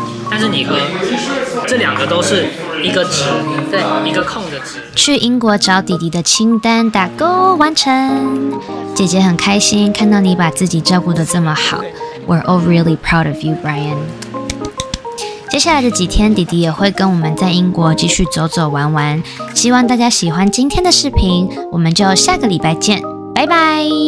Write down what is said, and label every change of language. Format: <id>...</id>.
<zh>但是你喝这两个都是一个纸，对，一个空的纸。去英国找弟弟的清单打勾完成。姐姐很开心看到你把自己照顾得这么好。</zh> <en>We're all really proud of you, Brian.</en> <zh>接下来的几天，弟弟也会跟我们在英国继续走走玩玩。希望大家喜欢今天的视频，我们就下个礼拜见，拜拜。</zh>